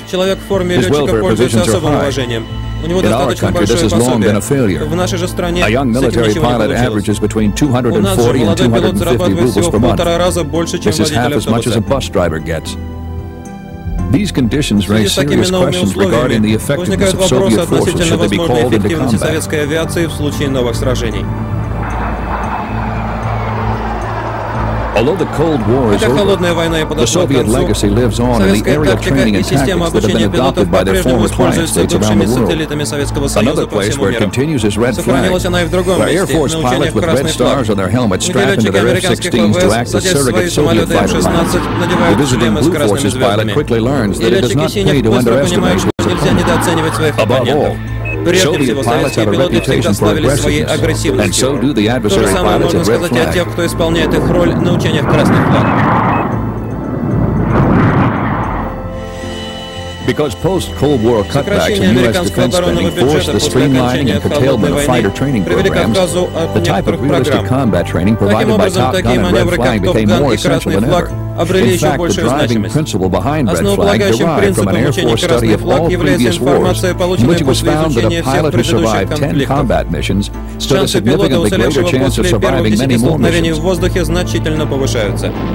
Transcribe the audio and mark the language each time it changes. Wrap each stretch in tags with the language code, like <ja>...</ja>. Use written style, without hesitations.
<en>His welfare positions are high. In our country, this has long been a failure. A young military pilot averages between 240 and 250 rubles per month. This is half as much as a bus driver gets. These conditions raise serious questions regarding the effectiveness of Soviet forces should they be called into combat.</en> <ru>Советской авиации в случае новых сражений.</ru> <en>Although the Cold War is over, the Soviet legacy lives on in the aerial training and tactics that have been adopted by their former client states around the world. Another place where it continues is Red Flag, where Air Force pilots with red stars on their helmets strap into their F-16s to act as surrogate Soviet fighter pilots. The visiting Blue Forces pilot quickly learns that it does not pay to underestimate his opponent. Above all, Soviet pilots have a reputation for aggressiveness, and so do the adversary pilots in Red Flag.</en> <ru>Тех, кто исполняет их роль на учениях Красный Флаг.</ru> <en>Because post-Cold War cutbacks in U.S. defense spending forced the streamlining and curtailment of fighter training programs, the type of realistic combat training provided by Top Gun and Red Flag became more essential than ever. In fact, the driving principle behind Red Flag derived from an Air Force study of all previous wars, in which it was found that a pilot who survived 10 combat missions stood a significantly greater chance of surviving many more missions.</en>